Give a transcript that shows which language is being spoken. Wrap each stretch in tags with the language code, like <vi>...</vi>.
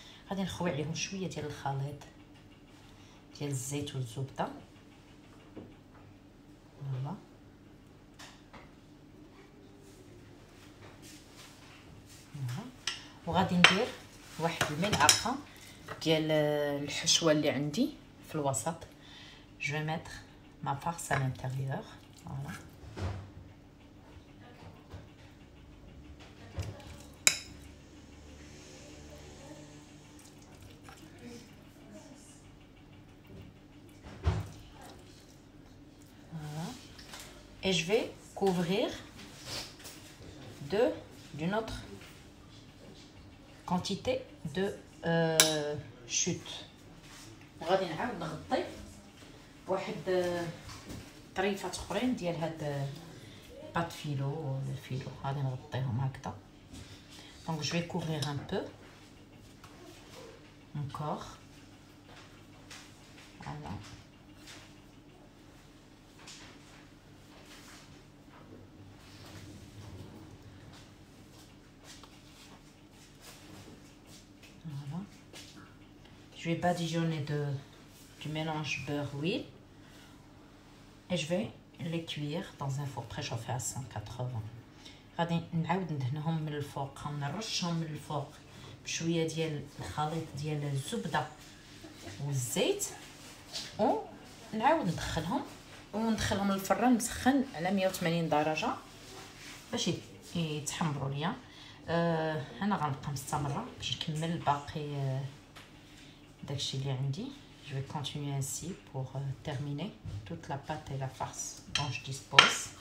<ar>غادي نخوي عليهم شويه ديال الخليط ديال الزيت والزبده. فوالا وغادي ندير واحد الملعقه ديال الحشوه اللي عندي في الوسط.</ar> <fr>Je vais mettre ma farce à l'intérieur. Voilà. et je vais couvrir de d'une autre quantité de chute.</fr> <ar>غادي نعاود نغطي بواحد طريفات اخرين ديال هاد بات فيلو الفيلو غادي نغطيهم هكذا.</ar> <fr>Donc je vais couvrir un peu encore. Voilà. Voilà. Je vais badigeonner du mélange beurre-huile et je vais les cuire dans un four préchauffé à 180.</fr> <ar>غادي نعاود ندهنهم من الفوق ونرشهم من الفوق بشويه ديال الخليط ديال الزبده والزيت ونعاود ندخلهم وندخلهم للفران مسخن على 180 درجه باش يتحمروا ليا. انا غنبقى مستمره باش نكمل باقي داكشي اللي عندي.</ar> <fr>Je vais continuer ainsi pour terminer toute la pâte et la farce dont je dispose.</fr>